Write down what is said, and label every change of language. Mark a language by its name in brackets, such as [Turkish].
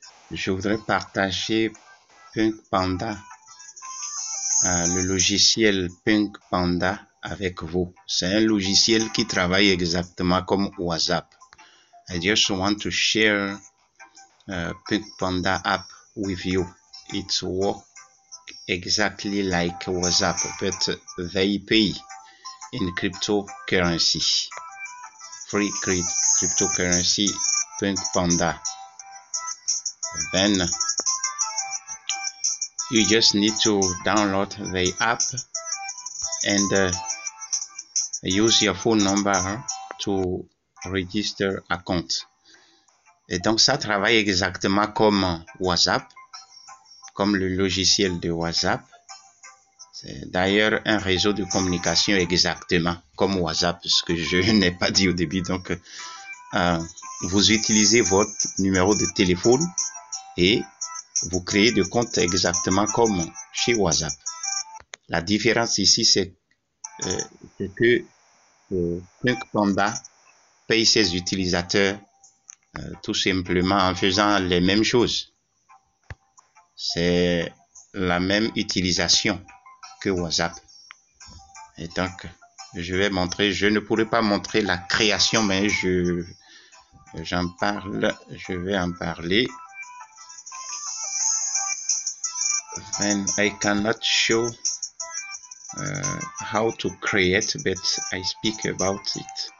[French] Je voudrais partager PunkPanda, le logiciel PunkPanda avec vous. C'est un logiciel qui travaille exactement comme WhatsApp. [English] I just want to share PunkPanda app with you. It works exactly like WhatsApp, but they pay in cryptocurrency. Free cryptocurrency. PunkPanda. Then you just need to download the app and use your phone number to register account. [French] Et donc ça travaille exactement comme WhatsApp, comme le logiciel de WhatsApp. C'est d'ailleurs un réseau de communication exactement comme WhatsApp, ce que je n'ai pas dit au début. Donc vous utilisez votre numéro de téléphone et vous créez de compte exactement comme chez WhatsApp. La différence ici, c'est que PunkPanda paye ses utilisateurs tout simplement en faisant les mêmes choses. C'est la même utilisation que WhatsApp. Et donc, je vais montrer, je ne pourrais pas montrer la création, mais je vais en parler. [English] Then I cannot show how to create, but I speak about it.